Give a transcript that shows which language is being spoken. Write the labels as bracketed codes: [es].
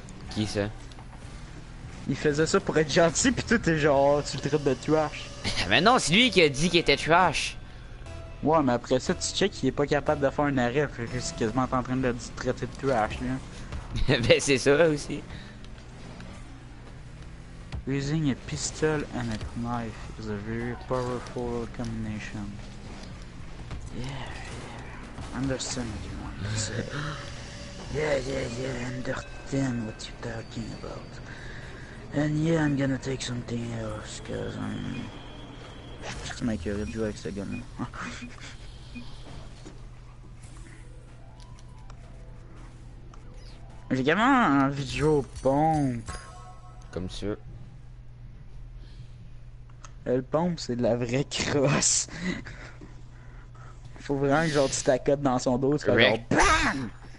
[fr] Qui ça? Il faisait ça pour être gentil, pis toi t'es genre, tu le traites de trash. Mais non, c'est lui qui a dit qu'il était trash. Ouais, mais après ça, tu check, il est pas capable de faire un arrêt, fait que c'est quasiment en train de le traiter de trash, là. Ben c'est ça aussi. [en] Using a pistol and a knife is a very powerful combination. Yeah, understand what you want to say. Yeah, I understand what you're talking about. And yeah, I'm gonna take something else, cause I'm... Just make a review [fr] avec ce gars-là. J'ai quand même un vidéo pompe. Comme ça. Le pompe, c'est de la vraie crosse. Faut vraiment que genre tu t'accotes dans son dos, c'est comme genre BAM!